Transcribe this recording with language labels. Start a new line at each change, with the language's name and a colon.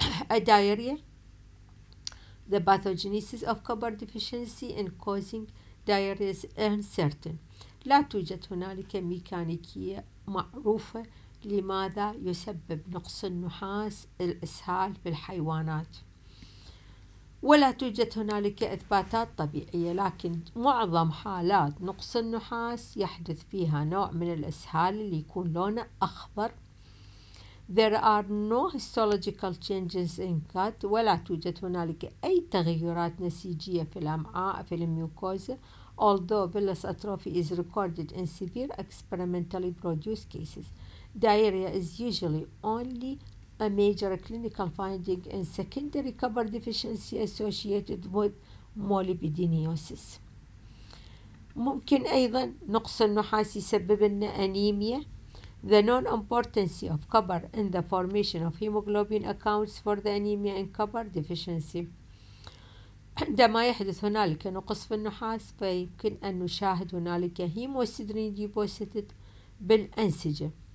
English: A diarrhea, the pathogenesis of copper deficiency and causing diarrhea is uncertain.
Arabic: لا توجد هنالك ميكانيكية معروفة لماذا يسبب نقص النحاس الإسهال بالحيوانات. ولا توجد هنالك إثباتات طبيعية، لكن معظم حالات نقص النحاس يحدث فيها نوع من الإسهال اللي يكون لونه أخضر.
English: There are no histological changes in gut.
Arabic: ولا توجد هنالك أي تغيرات نسيجية في الأمعاء في الميوكوزا.
English: Although villus atrophy is recorded in severe experimentally produced cases, diarrhea is usually only a major clinical finding in secondary copper deficiency associated with molybdenosis.
Arabic: ممكن أيضا نقص النحاس يسبب لنا أنيميا.
English: The non-importance of copper in the formation of hemoglobin accounts for the anemia in copper deficiency.
Arabic: عندما يحدث هنالك نقص في النحاس فيمكن أن نشاهد هنالك
English: hemosiderin deposited
Arabic: بالأنسجة.